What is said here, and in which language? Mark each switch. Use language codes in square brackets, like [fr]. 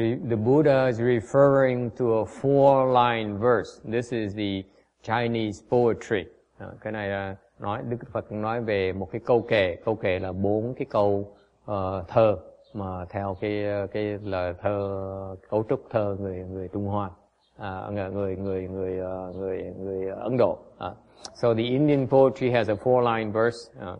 [en] The Buddha is referring to a 4-line verse. This is the Chinese poetry. [vi] Cái này là nói Đức Phật nói về một cái câu kệ. Câu kệ là 4 cái câu thơ mà theo cái lời thơ cấu trúc thơ người Trung Hoa, người Ấn Độ. [en] So the Indian poetry has a 4-line verse.